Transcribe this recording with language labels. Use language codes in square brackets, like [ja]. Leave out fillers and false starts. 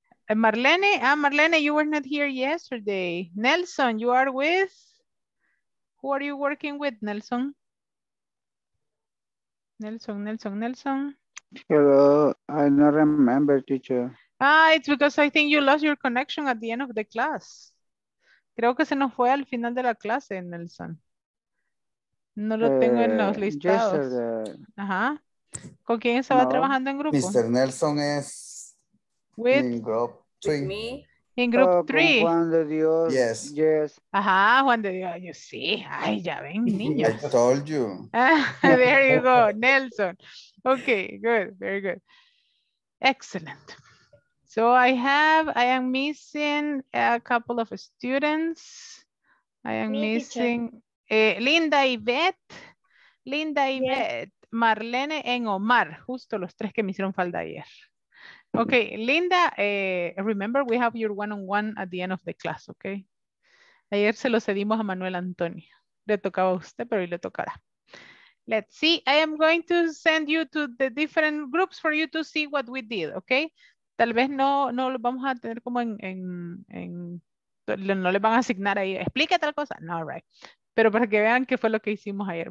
[en] Marlene, Marlene, you were not here yesterday. Nelson, you are with? Who are you working with, Nelson? Nelson. Hello, I don't remember, teacher. Ah, it's because I think you lost your connection at the end of the class. [es] Creo que se nos fue al final de la clase, Nelson. No lo tengo en los listados. [en] Yesterday. [es] Ajá. ¿Con quién estaba trabajando en grupo? [en] Mr. Nelson is with, in group three. With me. In group three. Juan de Dios. Yes. Yes. [es] Ajá, Juan de Dios. [en] You see. [es] Ay, ya ven, niños. [en] I told you. There you go, Nelson. Okay, good. Very good. Excellent. So I am missing a couple of students. I am missing Linda Yvette. Linda Yvette, yes. Marlene and Omar. [es] Justo los tres que me hicieron falta ayer. [en] Okay, Linda, remember we have your one-on-one at the end of the class, okay? [es] Ayer se lo cedimos a Manuel Antonio. Le tocaba a usted, pero hoy le tocará. [en] Let's see. I am going to send you to the different groups for you to see what we did, okay? [es] Tal vez no lo vamos a tener como no le van a asignar ahí. Explica tal cosa. [en] No, right. [es] Pero para que vean qué fue lo que hicimos ayer.